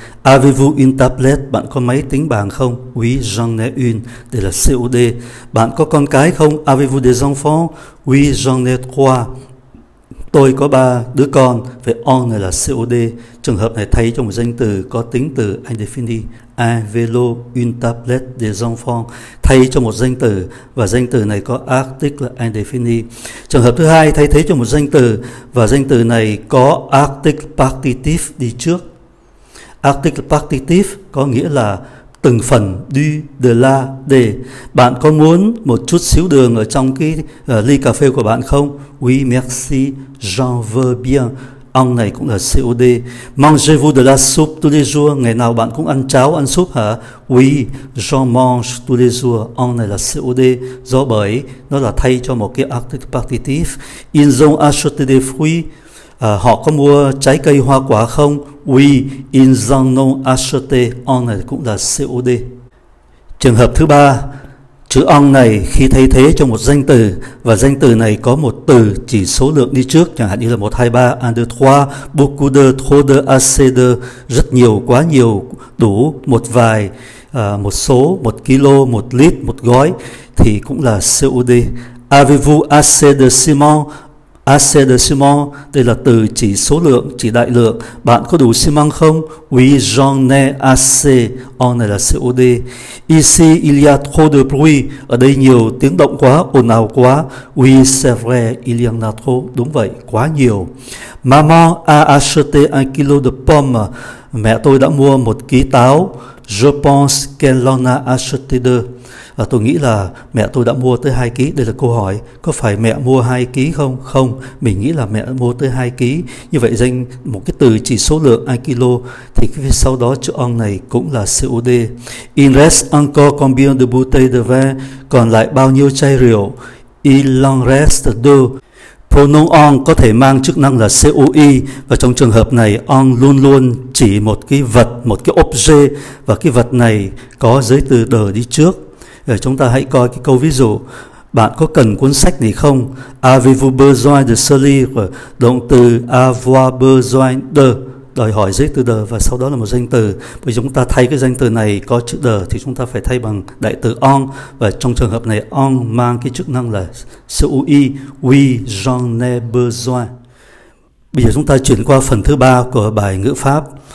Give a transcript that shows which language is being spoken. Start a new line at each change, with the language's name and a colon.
French: Avez-vous une tablette?
Vietnamese: Bạn có máy tính bảng không?
French: Oui, j'en ai une.
Vietnamese: Đây là COD. Bạn có con cái không?
French: Avez-vous des enfants? Oui, j'en ai trois.
Vietnamese: Tôi có ba đứa con, phải on này là COD. Trường hợp này thay cho một danh từ có tính từ indefinite.
French: Un vélo, une tablette, des enfants.
Vietnamese: Thay cho một danh từ, và danh từ này có article indefini. Trường hợp thứ hai, thay thế cho một danh từ, và danh từ này có article partitif đi trước. Article partitif có nghĩa là từng phần, du, de, la, de. Bạn có muốn một chút xíu đường ở trong cái ly cà phê của bạn không?
French: Oui, merci, j'en veux bien.
Vietnamese: Ong này cũng là COD.
French: Mangez-vous de la soupe tous les jours?
Vietnamese: Ngày nào bạn cũng ăn cháo, ăn soup hả?
French: Oui, j'en mange tous les jours.
Vietnamese: Ong này là COD. Do bởi, nó là thay cho một cái article partitif.
French: Ils ont acheté des fruits?
Vietnamese: Họ có mua trái cây, hoa quả không?
French: Oui, ils en ont acheté.
Vietnamese: Ong này cũng là COD. Trường hợp thứ ba, chữ ong này khi thay thế cho một danh từ, và danh từ này có một từ chỉ số lượng đi trước, chẳng hạn như là 1, 2, 3, 1, 2, 3,
French: beaucoup de, trop de, assez de,
Vietnamese: rất nhiều, quá nhiều, đủ, một vài, một số, một kilo, một lít, một gói, thì cũng là COD.
French: Avez-vous assez de ciment? Assez de ciment,
Vietnamese: đây là từ chỉ số lượng, chỉ đại lượng. Bạn có đủ xi măng không?
French: Oui, j'en ai assez.
Vietnamese: On này là COD.
French: Ici, il y a trop de bruit.
Vietnamese: Ở đây nhiều tiếng động quá, ồn ào quá.
French: Oui, c'est vrai, il y en a trop.
Vietnamese: Đúng vậy, quá nhiều.
French: Maman a acheté un kilo de pommes.
Vietnamese: Mẹ tôi đã mua một ký táo.
French: Je pense qu'elle en a acheté deux.
Vietnamese: Tôi nghĩ là mẹ tôi đã mua tới 2 ký. Đây là câu hỏi, có phải mẹ mua 2 ký không? Không, mình nghĩ là mẹ mua tới 2 ký. Như vậy danh một cái từ chỉ số lượng 1 kilo thì phía sau đó chữ on này cũng là COD.
French: Il reste encore combien de bouteilles de vin?
Vietnamese: Còn lại bao nhiêu chai rượu?
French: Il en reste deux.
Vietnamese: Pronom on có thể mang chức năng là COI, và trong trường hợp này on luôn luôn chỉ một cái vật, một cái objet, và cái vật này có giới từ de đi trước. Rồi chúng ta hãy coi cái câu ví dụ. Bạn có cần cuốn sách này không?
French: Avez-vous besoin de ce livre?
Vietnamese: Động từ
French: avoir besoin de
Vietnamese: đòi hỏi giới từ de, và sau đó là một danh từ. Bởi chúng ta thay cái danh từ này có chữ de thì chúng ta phải thay bằng đại từ on, và trong trường hợp này on mang cái chức năng là COI.
French: Oui, j'en ai besoin.
Vietnamese: Bây giờ chúng ta chuyển qua phần thứ ba của bài ngữ pháp.